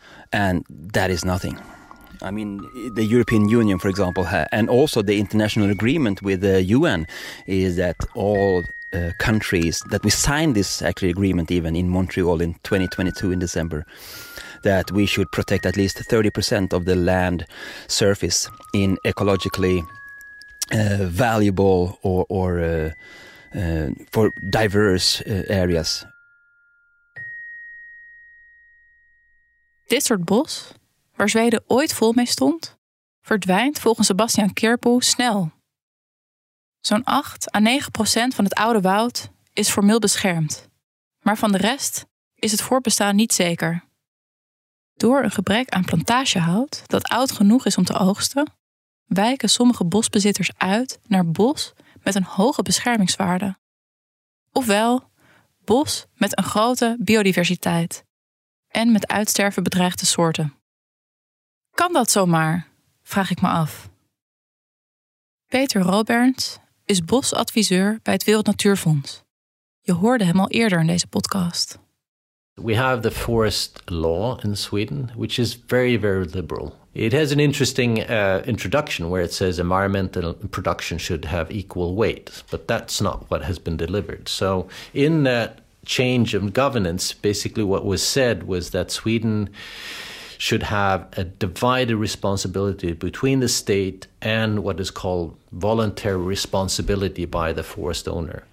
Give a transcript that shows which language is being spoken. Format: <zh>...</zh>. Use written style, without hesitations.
<en>And that is nothing. I mean, the European Union, for example, and also the international agreement with the UN is that all countries that we signed this actually agreement even in Montreal in 2022 in December, that we should protect at least 30% of the land surface in ecologically valuable or for diverse areas.</en> <nl>Dit soort bos, waar Zweden ooit vol mee stond, verdwijnt volgens Sebastian Kirpoe snel. Zo'n 8-9% van het oude woud is formeel beschermd. Maar van de rest is het voortbestaan niet zeker. Door een gebrek aan plantagehout dat oud genoeg is om te oogsten, wijken sommige bosbezitters uit naar bos met een hoge beschermingswaarde. Ofwel, bos met een grote biodiversiteit en met uitsterven bedreigde soorten. Kan dat zomaar? Vraag ik me af. Peter Roberts is bosadviseur bij het Wereld Natuurfonds. Je hoorde hem al eerder in deze podcast.</nl> <en>We have the forest law in Sweden, which is very, very liberal. It has an interesting introduction where it says environment and production should have equal weight, but that's not what has been delivered. So in that change of governance, basically what was said was that Sweden should have a divided responsibility between the state and what is called voluntary responsibility by the forest owner.</en>